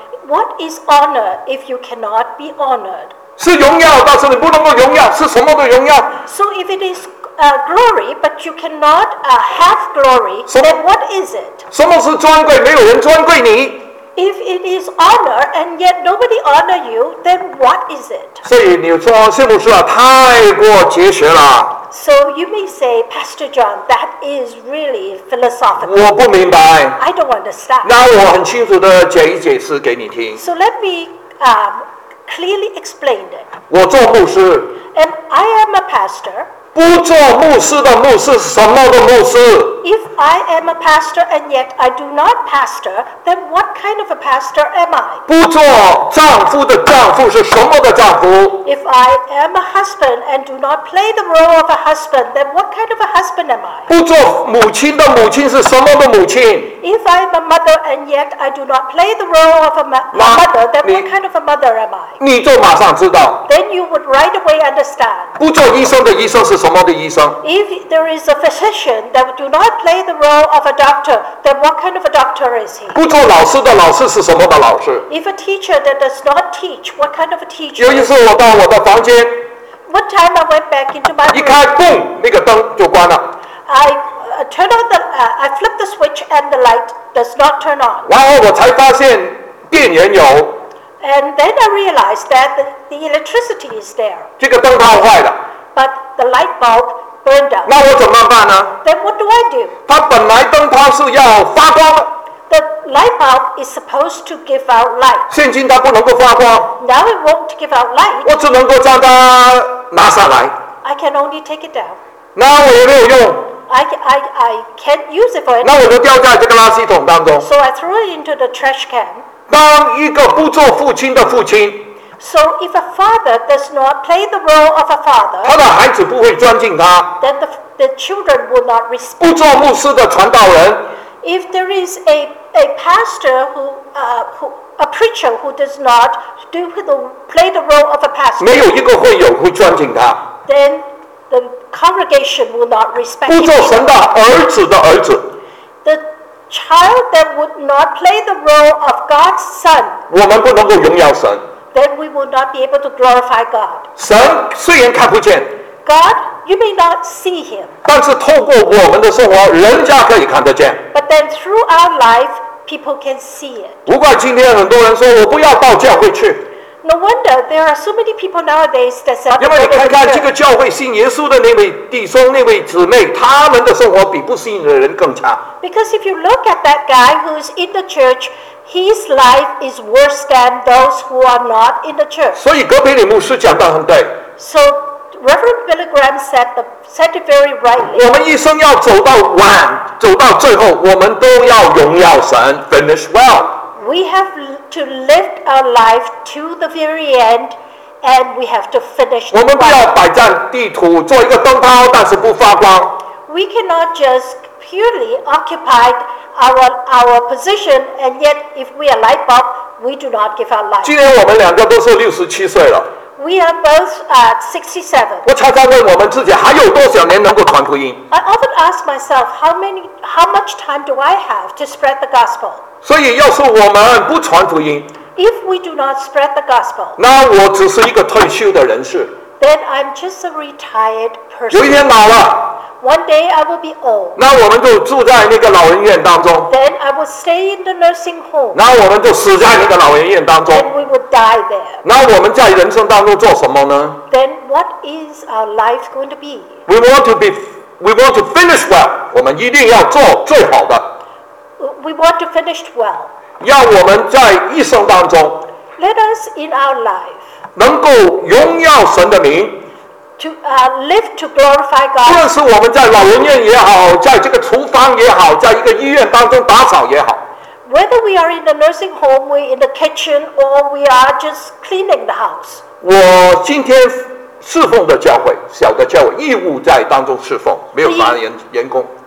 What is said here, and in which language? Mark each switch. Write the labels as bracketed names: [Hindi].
[English] What is honor if you cannot be honored? [Chinese] 是荣耀，但是你不能够荣耀，是什么的荣耀？ [English] So if it is glory, but you cannot have glory, then what is it? [Chinese] 什么是尊贵？没有人尊贵你。 [English] If it is honor and yet nobody honor you, then what is it? [Chinese] 所以你说谢牧师啊，太过结学了。 [English] So you may say, Pastor John, that is really philosophical. [Chinese] 我不明白。 [English] I don't understand. [Chinese] 那我很清楚的解一解释给你听。 [English] So let me clearly explain it. [Chinese] 我做牧师。 [English] And I am a pastor. [Chinese] 不做牧师的牧师是什么的牧师？ [English] If I am a pastor and yet I do not pastor, then what kind of a pastor am I? [Chinese] 不做丈夫的丈夫是什么的丈夫? [English] If I am a husband and do not play the role of a husband, then what kind of a husband am I? [Chinese] 不做母亲的母亲是什么的母亲? [English] If I am a mother and yet I do not play the role of a mother, then what kind of a mother am I? [Chinese] 你就马上知道。 [English] Then you would right away understand. [Chinese] 不做医生的医生是什么的医生? [English] If there is a physician that do not play the role of a doctor, then what kind of a doctor is he? [Chinese] 不做老师的老师是什么的老师? [English] If a teacher that does not teach, what kind of a teacher? [Chinese] 有一次我到我的房间, [English] one time I went back into my room, [Chinese] 一开, boom, 那个灯就关了。 [English] I turn on the, I flip the switch and the light does not turn on. [Chinese] 然后我才发现电源有。 [English] And then I realized that the electricity is there. [Chinese] 这个灯泡坏了。 [English] But the light bulb burned out. [Chinese] 那我怎么办呢? [English] Then what do I do? [Chinese] 它本来灯泡是要发光的。 [English] The light bulb is supposed to give out light. [Chinese] 现今它不能够发光。 [English] Now it won't give out light. [Chinese] 我只能够将它拿下来。 [English] I can only take it down. [Chinese] 那我也没有用。 [English] I can't use it for anything. [Chinese] 那我就掉在这个垃圾桶当中。 [English] So I threw it into the trash can. [Chinese] 当一个不做父亲的父亲。 [English] So if a father does not play the role of a father, [Chinese] 他的孩子不会尊敬他。 [English] Then the children will not respect. [Chinese] 不做牧师的传道人。 [English] If there is a pastor who a preacher who does not play the role of a pastor, [Chinese] 没有一个会友会尊敬他。 [English] Then the congregation will not respect. [Chinese] 不做神的儿子的儿子。 [English] The child that would not play the role of God's son, [Chinese] 我们不能够荣耀神。 [English] Then we will not be able to glorify God. [Chinese] 神虽然看不见。 [English] God, you may not see him. [Chinese] 但是透过我们的生活，人家可以看得见。 [English] But then through our life, people can see it. [Chinese] 不怪今天很多人说我不要到教会去。 [English] No wonder there are so many people nowadays that say, [Chinese] 因为你看看这个教会信耶稣的那位弟兄、那位姊妹，他们的生活比不信的人更差。 [English] Because if you look at that guy who's in the church, his life is worse than those who are not in the church. [Chinese] 所以格培里牧师讲得很对。 [English] So Reverend Billy Graham said it very rightly. [Chinese] 我们一生要走到晚，走到最后，我们都要荣耀神 ， [English] finish well. We have to live our life to the very end, and we have to finish. [Chinese] 我们不要摆占地图，做一个灯泡，但是不发光。 [English] We cannot just purely occupy our position, and yet if we are light bulb, we do not give our light. [Chinese] 今年我们两个都是67岁了。 [English] We are both 67. [Chinese] 我常常问我们自己，还有多少年能够传福音 [English] ？I often ask myself, how much time do I have to spread the gospel? [Chinese] 所以，要是我们不传福音 [English] ，If we do not spread the gospel, [Chinese] 那我只是一个退休的人士。 [English] Then I'm just a retired person. [Chinese] 有一天老了 [English] ，One day I will be old. [Chinese] 那我们就住在那个老人院当中。 [English] Then I will stay in the nursing home. [Chinese] 那我们就死在那个老人院当中。 [English] Then we will die there. [Chinese] 那我们在人生当中做什么呢 [English] ？Then what is our life going to be? We want to finish well. [Chinese] 我们一定要做最好的。 [English] We want to finish well. [Chinese] 要我们在一生当中 [English] ，Let us in our life. [Chinese] 能够荣耀神的名 [English] ，to live to glorify God. [Chinese] 不论是我们在老人院也好，在这个厨房也好，在一个医院当中打扫也好 [English] ，Whether we are in the nursing home, we in the kitchen, or we are just cleaning the house. [Chinese] 我今天侍奉的教会，小的教会，义务在当中侍奉，没有拿员工。